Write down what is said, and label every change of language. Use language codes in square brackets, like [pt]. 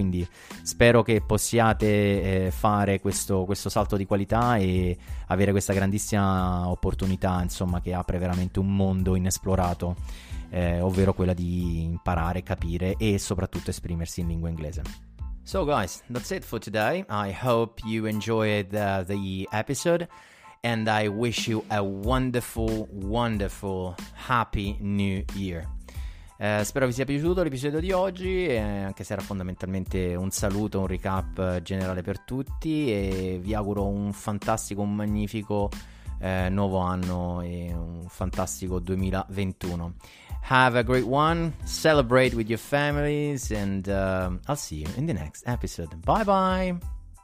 [it] Quindi spero che possiate fare questo salto di qualità e avere questa grandissima opportunità, insomma, che apre veramente un mondo inesplorato. Ovvero quella di imparare, capire e soprattutto esprimersi in lingua inglese. [en] So guys, that's it for today. I hope you enjoyed the episode and I wish you a wonderful, wonderful, happy new year. [it] Spero vi sia piaciuto l'episodio di oggi, anche se era fondamentalmente un saluto, un recap generale per tutti, e vi auguro un fantastico, un magnifico nuovo anno e un fantastico 2021. [en] Have a great one. Celebrate with your families, and I'll see you in the next episode. Bye bye.